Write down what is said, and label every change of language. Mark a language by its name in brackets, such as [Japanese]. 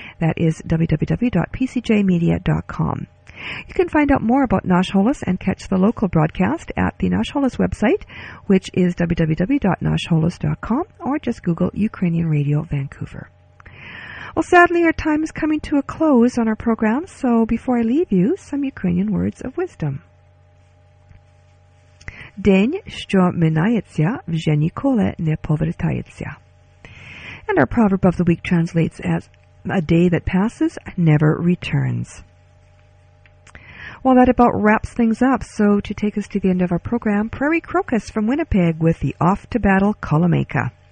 [English] That is www.pcjmedia.com. You can find out more about Nash Holos and catch the local broadcast at the Nash Holos website, which is www.nashholos.com, or just Google Ukrainian Radio Vancouver. Well, sadly, our time is coming to a close on our program, so before I leave you, some Ukrainian words of wisdom. [Ukrainian] День, що минається, вже ніколи не повертається. [English] And our proverb of the week translates as, a day that passes never returns. Well, that about wraps things up. So to take us to the end of our program, Prairie Crocus from Winnipeg with the off-to-battle Kalameka.